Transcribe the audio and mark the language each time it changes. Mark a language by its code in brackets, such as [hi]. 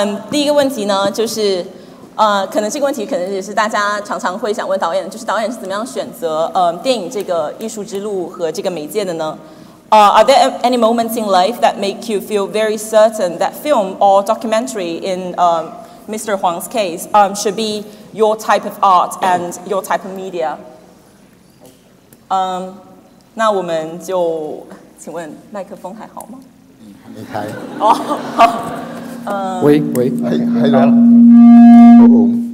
[zh] 第一个问题呢，就是，可能这个问题可能也是大家常常会想问导演，就是导演是怎么样选择，电影这个艺术之路和这个媒介的呢？ [en] Are there any moments in life that make you feel very certain that film or documentary, in Mr. Huang's case, should be your type of art and your type of media? [zh] 那我们就请问麦克风还好吗？没开。哦，好。喂喂，哎，还来了，哦哦。